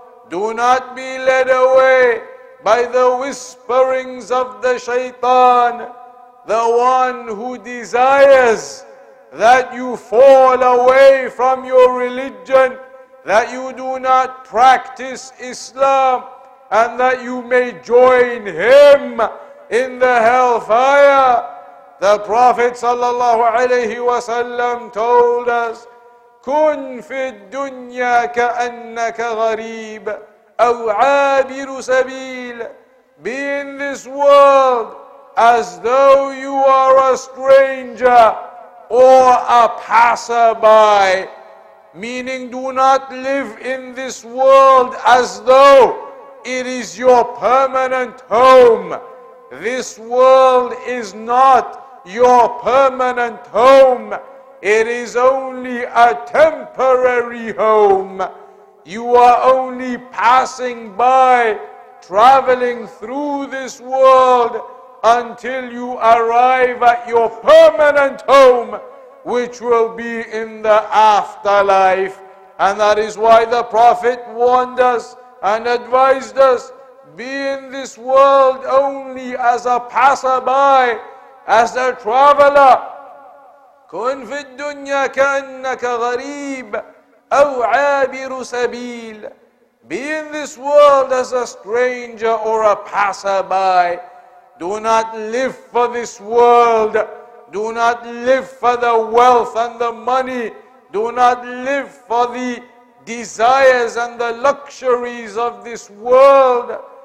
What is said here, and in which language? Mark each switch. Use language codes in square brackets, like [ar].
[en] Do not be led away by the whisperings of the shaitan, the one who desires that you fall away from your religion, that you do not practice Islam, and that you may join him in the hellfire. The Prophet sallallahu alayhi wa sallam told us, [ar] كن في الدنيا كأنك غريب أو عابر سبيل. [en] Be in this world as though you are a stranger or a passerby. Meaning, do not live in this world as though it is your permanent home. This world is not your permanent home. It is only a temporary home. You are only passing by, traveling through this world until you arrive at your permanent home, which will be in the afterlife. And that is why the Prophet warned us and advised us, be in this world only as a passerby, as a traveler. [ar] كن في الدنيا كأنك غريب أو عابر سبيل. [en] Be in this world as a stranger or a passerby. Do not live for this world. Do not live for the wealth and the money. Do not live for the desires and the luxuries of this world.